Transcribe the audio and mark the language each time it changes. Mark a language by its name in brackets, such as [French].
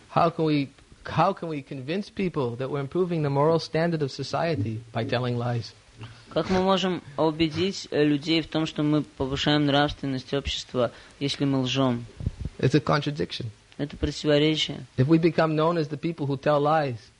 [English] How can we convince people that we're improving the moral standard of society by telling lies? [Russian] Как мы можем убедить людей в том, что мы повышаем нравственность общества, если мы лжем? [English] It's a contradiction. [Russian] Это противоречие. [English] If we become known as the people who tell lies,